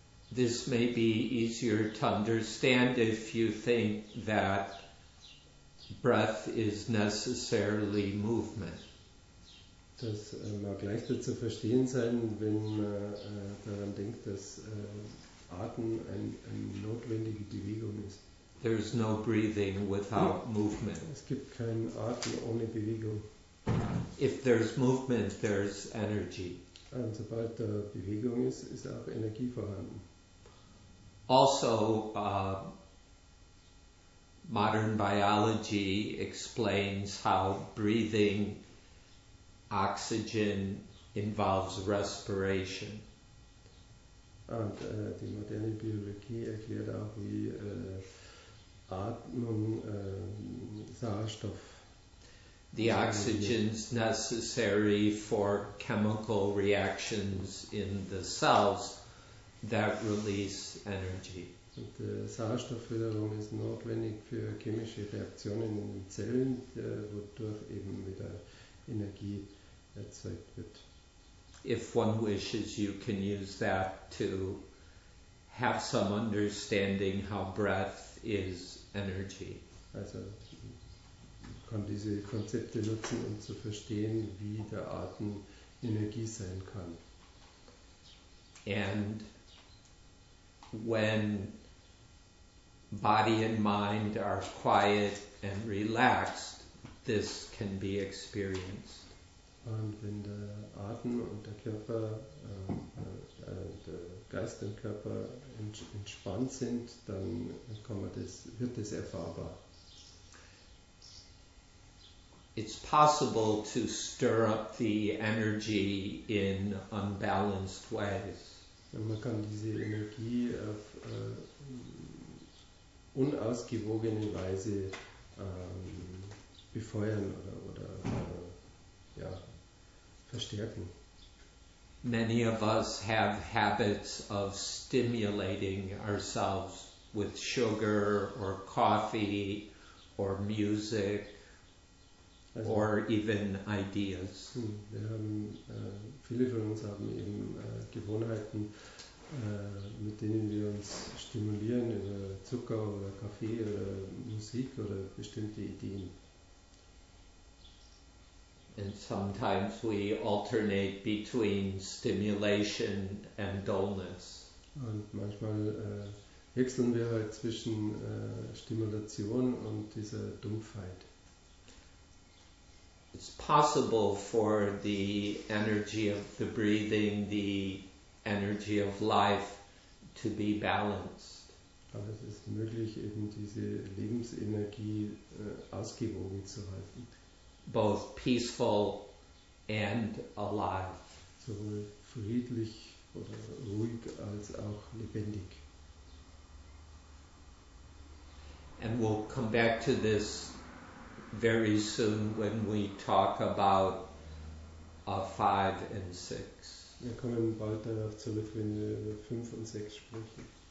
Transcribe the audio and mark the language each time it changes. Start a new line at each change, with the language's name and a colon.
English: This may be easier to understand if you think that breath is necessarily movement.
German: Das mag leichter zu verstehen sein, wenn man daran denkt, dass Atem eine notwendige Bewegung ist.
English: There's no breathing without movement.
German: Es gibt keinen Atem ohne Bewegung.
English: If there's movement, there's energy.
German: Und sobald da Bewegung ist, ist auch Energie vorhanden.
English: Also, modern biology explains how breathing oxygen involves respiration.
German: Und die moderne Biologie erklärt auch, wie Atmung Sauerstoff.
English: The oxygen's necessary for chemical reactions in the cells that release energy.
German: Und Sauerstoffförderung ist notwendig für chemische Reaktionen in den Zellen, wodurch eben wieder Energie erzeugt wird.
English: If one wishes, you can use that to have some understanding how breath is energy.
German: Also kann diese Konzepte nutzen, um zu verstehen, wie der Atem Energie sein kann.
English: And when body and mind are quiet and relaxed, this can be experienced.
German: Und wenn der Atem und der Körper, der Geist und Körper entspannt sind, dann kann man das, wird das erfahrbar.
English: It's possible to stir up the energy in unbalanced ways.
German: Man kann diese Energie auf unausgewogene Weise befeuern oder verstärken.
English: Many of us have habits of stimulating ourselves with sugar or coffee or music. Also, or even ideas.
German: Wir haben, viele von uns haben eben Gewohnheiten, mit denen wir uns stimulieren, über Zucker oder Kaffee oder Musik oder bestimmte Ideen.
English: And sometimes we alternate between stimulation and dullness.
German: Und manchmal wechseln wir halt zwischen Stimulation und dieser Dumpfheit.
English: It's possible for the energy of the breathing, the energy of life, to be balanced.
German: Aber es ist möglich, eben diese Lebensenergie ausgewogen zu halten.
English: Both peaceful and alive.
German: Sowohl friedlich oder ruhig als auch lebendig.
English: And we'll come back to this very soon when we talk about 5 and 6.
German: Wir kommen bald darauf zurück, wenn wir über 5 und 6 sprechen.